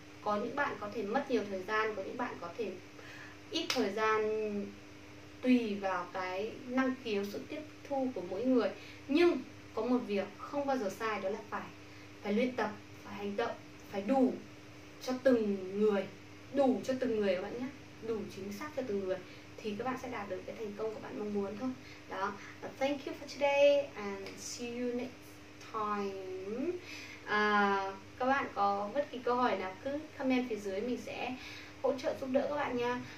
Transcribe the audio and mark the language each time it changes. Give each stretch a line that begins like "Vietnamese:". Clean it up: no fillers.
Vietnamese: Có những bạn có thể mất nhiều thời gian, có những bạn có thể ít thời gian, tùy vào cái năng khiếu, sự tiếp thu của mỗi người. Nhưng có một việc không bao giờ sai, đó là phải phải luyện tập, phải hành động, phải đủ cho từng người, đủ cho từng người các bạn nhé, đủ chính xác cho từng người thì các bạn sẽ đạt được cái thành công các bạn mong muốn thôi. Đó,
English: thank you for today and see you next time.
Vietnamese: Các bạn có bất kỳ câu hỏi nào cứ comment phía dưới, mình sẽ hỗ trợ giúp đỡ các bạn nha.